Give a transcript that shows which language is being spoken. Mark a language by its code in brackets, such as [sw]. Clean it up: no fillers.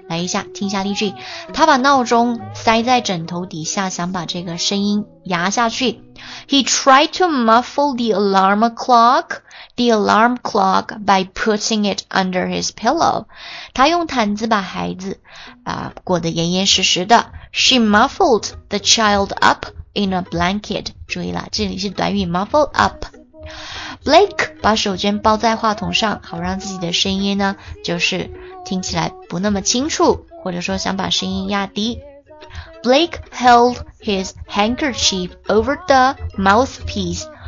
[zh] 来一下，听一下例句，他把闹钟塞在枕头底下，想把这个声音压下去。 [en] He tried to muffle the alarm clock. The alarm clock by putting it under his pillow. [zh] 他用毯子把孩子裹得严严实实的。 [en] She muffled the child up in a blanket. [zh] 注意了，这里是短语 muffled up. Blake 把手绢包在话筒上，好让自己的声音呢，就是听起来不那么清楚，或者说想把声音压低。 [en] Blake held his handkerchief over the mouthpiece.